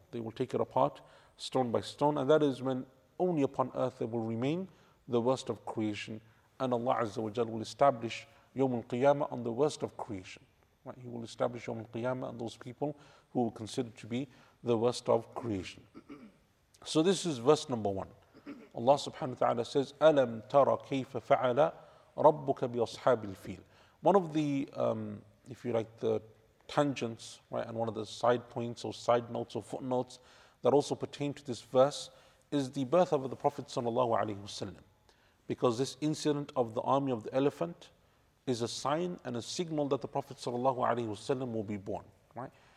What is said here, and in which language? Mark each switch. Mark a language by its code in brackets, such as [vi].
[en] They will take it apart stone by stone, and that is when only upon earth there will remain the worst of creation, and Allah Azza wa Jal will establish Yawm al-Qiyamah on the worst of creation. Right? He will establish Yawm al-Qiyamah on those people who will consider to be the worst of creation. So this is verse number one. Allah subhanahu wa ta'ala says, [ar] أَلَمْ تَرَ كَيْفَ فَعَلَ رَبُّكَ بِأَصْحَابِ الْفِيلِ. [en] One of the, if you like, the tangents, right, and one of the side points or side notes or footnotes that also pertain to this verse is the birth of the Prophet sallallahu alayhi wasallam. Because this incident of the army of the elephant is a sign and a signal that the Prophet sallallahu alayhi wasallam will be born, right?